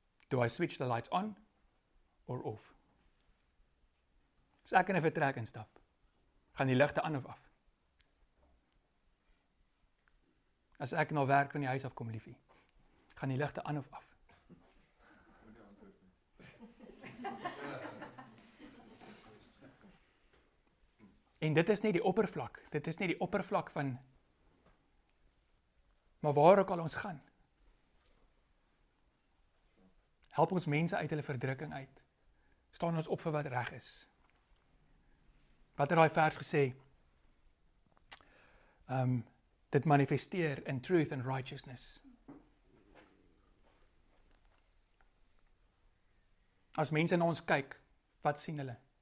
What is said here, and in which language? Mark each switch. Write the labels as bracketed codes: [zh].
[en] Do I switch the lights on or off? [af] As ek in 'n vertrek instap, gaan die ligte aan of af? As ek na werk van die huis af kom, liefie, gaan die ligte aan of af? En dit is nie die oppervlak. Dit is nie die oppervlak van maar waar ook al ons gaan. Help ons mense uit hulle verdrukking uit. Staan ons op vir wat reg is. Wat het daai vers gesê? Dit manifesteer in [en] truth and righteousness. [af] As mense na ons kyk, wat sien hulle?